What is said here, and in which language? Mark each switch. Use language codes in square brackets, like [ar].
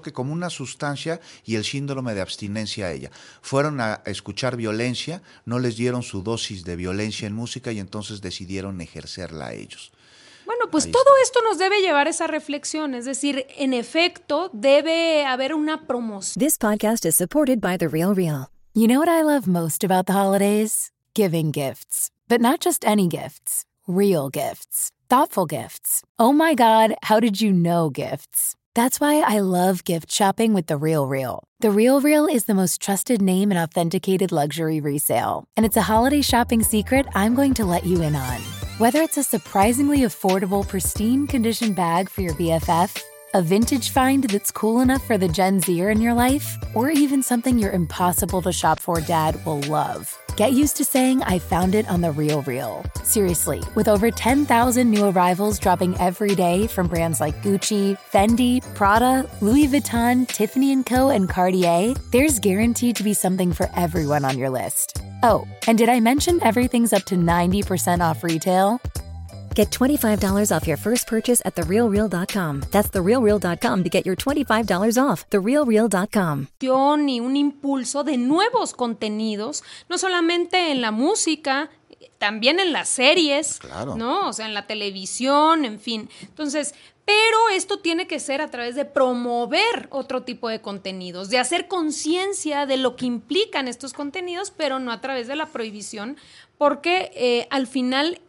[es] Que como una sustancia y el síndrome de abstinencia a ella. Fueron a escuchar violencia, no les dieron su dosis de violencia en música y entonces decidieron ejercerla a ellos. Bueno, pues todo esto nos debe llevar a esa reflexión. Es decir, en efecto, debe haber una promoción. [en] This podcast is supported by The Real Real. You know what I love most about the holidays? Giving gifts. But not just any gifts. Real gifts. Thoughtful gifts. Oh my God, how did you know gifts? That's why I love gift shopping with The RealReal. The RealReal is the most trusted name in authenticated luxury resale. And it's a holiday shopping secret I'm going to let you in on. Whether it's a surprisingly affordable, pristine condition bag for your BFF, a vintage find that's cool enough for the Gen Zer in your life, or even something your impossible to shop for dad will love. Get used to saying, I found it on The RealReal. Seriously, with over 10,000 new arrivals dropping every day from brands like Gucci, Fendi, Prada, Louis Vuitton, Tiffany & Co., and Cartier, there's guaranteed to be something for everyone on your list. Oh, and did I mention everything's up to 90% off retail? Get $25 off your first purchase at TheRealReal.com. That's TheRealReal.com to get your $25 off. TheRealReal.com. [es] ...y un impulso de nuevos contenidos, no solamente en la música, también en las series, claro. ¿No? O sea, en la televisión, en fin. Entonces, pero esto tiene que ser a través de promover otro tipo de contenidos, de hacer conciencia de lo que implican estos contenidos, pero no a través de la prohibición, porque al final...